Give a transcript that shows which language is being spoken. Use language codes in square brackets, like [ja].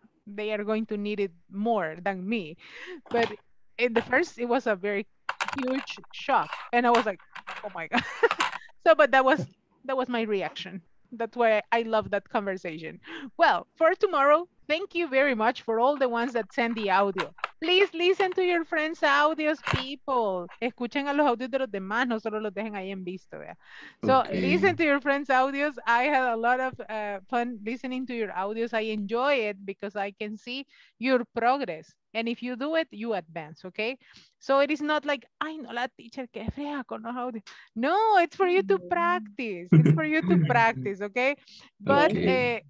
[en] they are going to need it more than me. But in the first, it was a very huge shock. And I was like, oh my God. So, but that was my reaction. That's why I love that conversation. Well, for tomorrow, thank you very much for all the ones that send the audio. Please listen to your friends' audios, people. [es] Escuchen a los audios de los demás, no solo los dejen ahí en visto. [en] Yeah? So okay. Listen to your friends' audios. I had a lot of fun listening to your audios. I enjoy it because I can see your progress. And if you do it, you advance, okay? So it is not like, [es] ay, no la teacher, que fea con los audios. [en] No, it's for you to practice. It's for you to practice, okay? But okay.